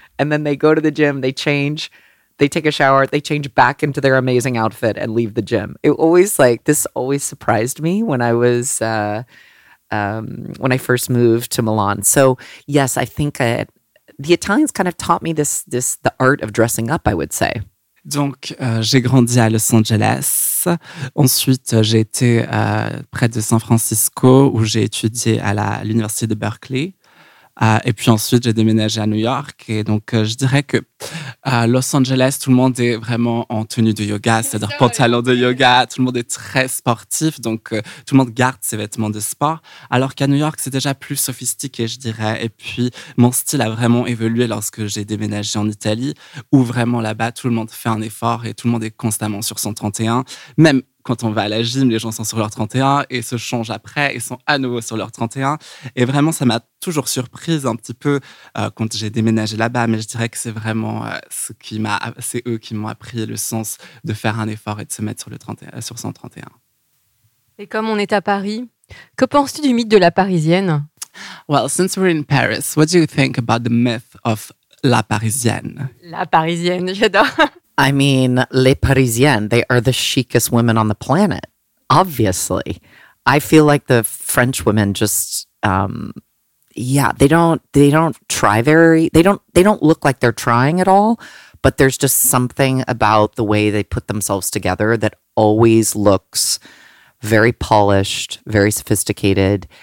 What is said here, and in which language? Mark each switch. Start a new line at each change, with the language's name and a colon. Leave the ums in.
English: And then they go to the gym, they change, they take a shower, they change back into their amazing outfit and leave the gym. It always like this always surprised me when I was uh, um, when I first moved to Milan. So yes, I think I, the Italians kind of taught me this this the art of dressing up. I would say.
French: Donc, euh, j'ai grandi à Los Angeles. Ensuite, j'ai été euh, près de San Francisco où j'ai étudié à l'université de Berkeley. Euh, et puis ensuite, j'ai déménagé à New York. Et donc, euh, je dirais que à euh, Los Angeles, tout le monde est vraiment en tenue de yoga, c'est-à-dire pantalon de yoga. Tout le monde est très sportif. Donc, tout le monde garde ses vêtements de sport. Alors qu'à New York, c'est déjà plus sophistiqué, je dirais. Et puis, mon style a vraiment évolué lorsque j'ai déménagé en Italie, où vraiment là-bas, tout le monde fait un effort et tout le monde est constamment sur son 31. Même quand on va à la gym, les gens sont sur leur 31 et se changent après et sont à nouveau sur leur 31. Et vraiment, ça m'a toujours surprise un petit peu euh, quand j'ai déménagé là-bas. Mais je dirais que c'est vraiment euh, ce qui m'a, c'est eux qui m'ont appris le sens de faire un effort et de se mettre sur le 30, sur son 31, sur 131. Et comme on est à Paris, que penses-tu du mythe de la parisienne?
English: Well, since we're in Paris, what do you think about the myth of la parisienne?
French: La parisienne, j'adore.
English: I mean, Les Parisiennes, they are the chicest women on the planet, obviously. I feel like the French women just, um, yeah, they don't, they don't try very, they don't, they don't look like they're trying at all, but there's just something about the way they put themselves together that always looks very polished, very sophisticated.